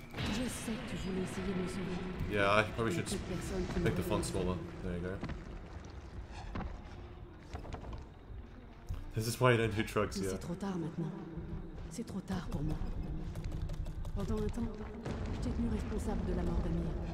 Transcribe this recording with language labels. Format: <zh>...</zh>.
<fr>Je sais que tu voulais essayer de me sauver.</fr> <en>Yeah, I probably should pick the font smaller. There you go. This is why you don't do drugs yet.</en> <fr>Mais c'est trop tard maintenant. C'est trop tard pour moi. Pendant un temps, je t'ai tenu responsable de la mort d'Amir.</fr>